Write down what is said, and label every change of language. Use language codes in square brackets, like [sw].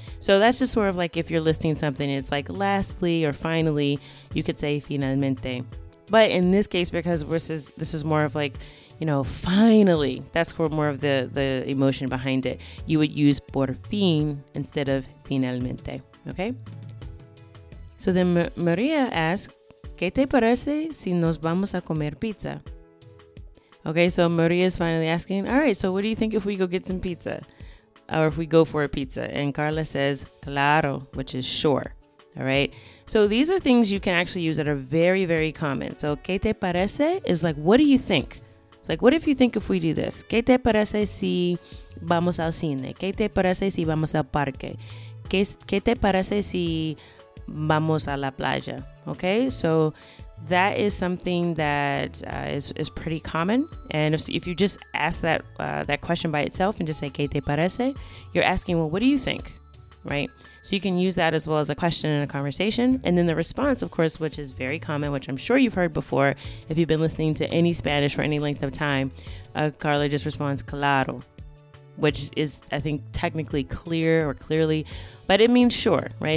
[en] So that's just sort of like if you're listing something, it's like lastly or finally, you could say [es] finalmente. [en] But in this case, because this is more of like, you know, finally, that's more of the emotion behind it. You would use [es] por fin [en] instead of [es] finalmente, [en] okay? So then Maria asks, [es] ¿qué te parece si nos vamos a comer pizza? [en] Okay, so Maria is finally asking, all right, so what do you think if we go get some pizza? Or if we go for a pizza? And Carla says, claro, which is sure. All right. So these are things you can actually use that are very, very common. So, [es] ¿qué te parece? [en] Is like, what do you think? It's like, what if you think if we do this? [es] ¿Qué te parece si vamos al cine? ¿Qué te parece si vamos al parque? ¿Qué te parece si vamos a la playa? [en] Okay. So that is something that is pretty common. And if you just ask that that question by itself and just say, [es] ¿qué te parece? [en] You're asking, well, what do you think? Right? So you can use that as well as a question in a conversation. And then the response, of course, which is very common, which I'm sure you've heard before, if you've been listening to any Spanish for any length of time, Carla just responds, claro, which is, I think, technically clear or clearly, but it means sure, right?